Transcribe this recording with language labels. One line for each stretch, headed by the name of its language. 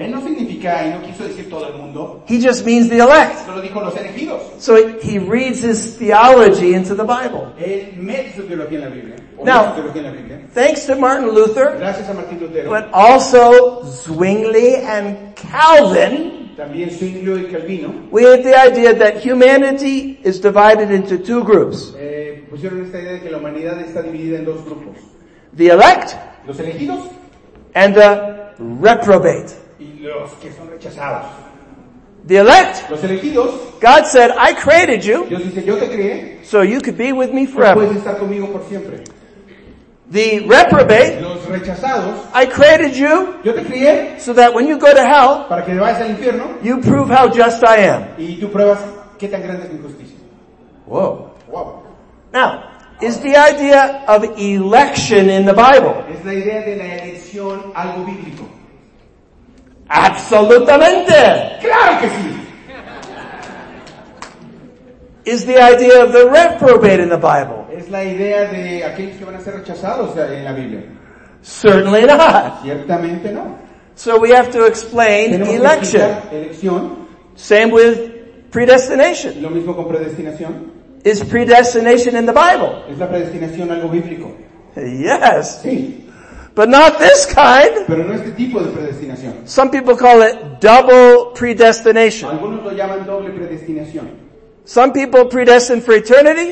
Spanish: Él no significa y no quiso decir todo el mundo.
English: He just means the elect.
Spanish: Solo dijo los elegidos.
English: So he reads his theology into the Bible.
Spanish: Él mete su teología en la Biblia.
English: Now, thanks to Martin Luther,
Spanish: gracias a Martín Lutero,
English: but also Zwingli and Calvin,
Spanish: también Zwingli y Calvino,
English: we had the idea that humanity is divided into two groups.
Spanish: Pusieron esta idea de que la humanidad está dividida en dos grupos.
English: The elect,
Spanish: los elegidos,
English: and the reprobate.
Spanish: Y los que son rechazados.
English: The elect,
Spanish: los elegidos,
English: God said, I created you,
Spanish: Dios dice, yo te creé,
English: so you could be with me forever.
Spanish: Puedes estar conmigo por siempre.
English: The reprobate,
Spanish: los rechazados,
English: I created you,
Spanish: yo te crié,
English: so that when you go to hell,
Spanish: para que vayas al infierno,
English: you prove how just I am.
Spanish: Y tú pruebas qué tan grande es mi justicia. Whoa. Wow.
English: Now, is the idea of election in the Bible?
Spanish: Es la idea de la elección algo bíblico. Absolutamente. Claro que sí.
English: Is the idea of the reprobate in the Bible?
Spanish: Es la idea de aquellos que van a ser rechazados en la Biblia.
English: Certainly not.
Spanish: Ciertamente no.
English: So we have to explain
Spanish: tenemos
English: election.
Spanish: Elección.
English: Same with predestination.
Spanish: Lo mismo con predestinación.
English: Is predestination in the Bible?
Spanish: Es la predestinación algo bíblico.
English: Yes.
Spanish: Sí.
English: But not this kind.
Spanish: Pero no este tipo de predestinación.
English: Some people call it double predestination.
Spanish: Algunos lo llaman doble predestinación.
English: Some people predestined for eternity.